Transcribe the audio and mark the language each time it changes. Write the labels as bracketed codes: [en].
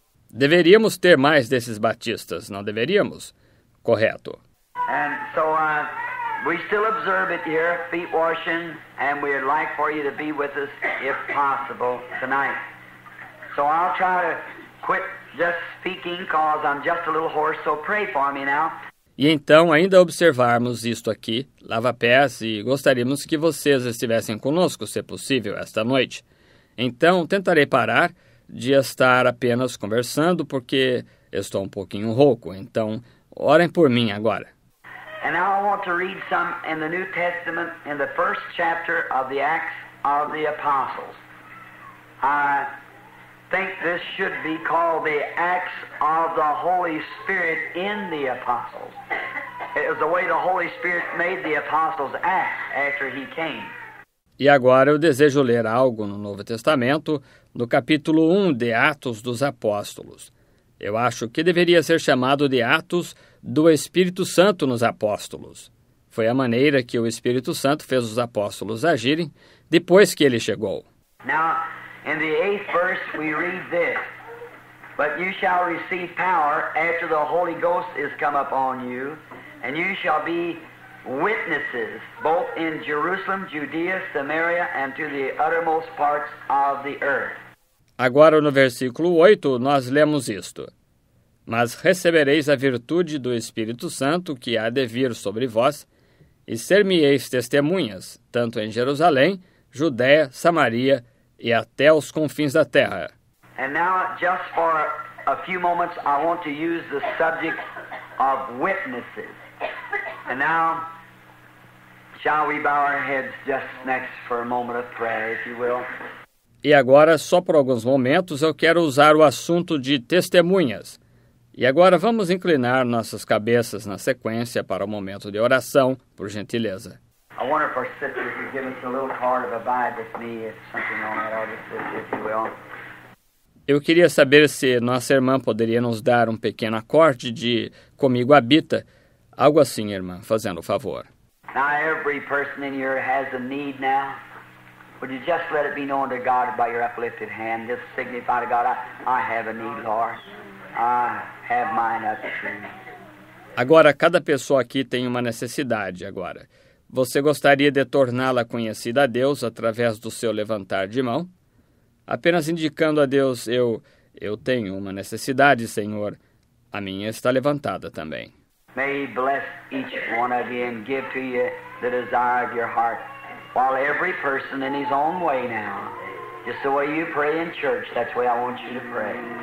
[pt] Deveríamos ter mais desses batistas, não deveríamos? Correto. [en] And so we still observe it here, feet washing, and we'd like for you to be with us if possible tonight. So I'll try to quit just speaking because I'm just a little hoarse, so pray for me now. [pt] E então, ainda observarmos isto aqui, lava-pés, e gostaríamos que vocês estivessem conosco, se possível, esta noite. Então, tentarei parar de estar apenas conversando, porque estou um pouquinho rouco. Então, orem por mim agora. E agora eu quero ler [en] some in the New Testament, in the first chapter of the Acts of the Apostles. I think this should be called the Acts of the Holy Spirit in the Apostles. It was the way the Holy Spirit made the Apostles act after he came. [pt] E agora eu desejo ler algo no Novo Testamento, no capítulo 1 de Atos dos Apóstolos. Eu acho que deveria ser chamado de Atos do Espírito Santo nos apóstolos. Foi a maneira que o Espírito Santo fez os apóstolos agirem depois que ele chegou. [en] Now, in the 8th verse, we read this. But you shall receive power after the Holy Ghost is come upon you, and you shall be witnesses both in Jerusalem, Judea, Samaria, and to the uttermost parts of the earth. [pt] Agora, no versículo 8, nós lemos isto. Mas recebereis a virtude do Espírito Santo que há de vir sobre vós, e ser-me-eis testemunhas, tanto em Jerusalém, Judéia, Samaria e até os confins da terra. E agora, [en] just for a few moments, I want to use the subject of witnesses. And now, shall we bow our heads just next for a moment of prayer, if you will? [pt] E agora, só por alguns momentos, eu quero usar o assunto de testemunhas. E agora vamos inclinar nossas cabeças na sequência para o momento de oração, por gentileza. [en] I wonder if our sister could give us a little card of abide with me, if something on that, I'll just say, if you will. [pt] Eu queria saber se nossa irmã poderia nos dar um pequeno acorde de Comigo Habita. Algo assim, irmã, fazendo o favor. [en] Now every person in here has a need now. Would you just let it be known to God by your uplifted hand? Just signify to God, I have a need, Lord. I have mine up to me. [pt] Agora, cada pessoa aqui tem uma necessidade agora. Você gostaria de torná-la conhecida a Deus através do seu levantar de mão? Apenas indicando a Deus, eu tenho uma necessidade, Senhor. A minha está levantada também. [en] May he bless each one of you and give to you the desire of your heart. While every person in his own way now, just the way you pray in church, that's the way I want you to pray.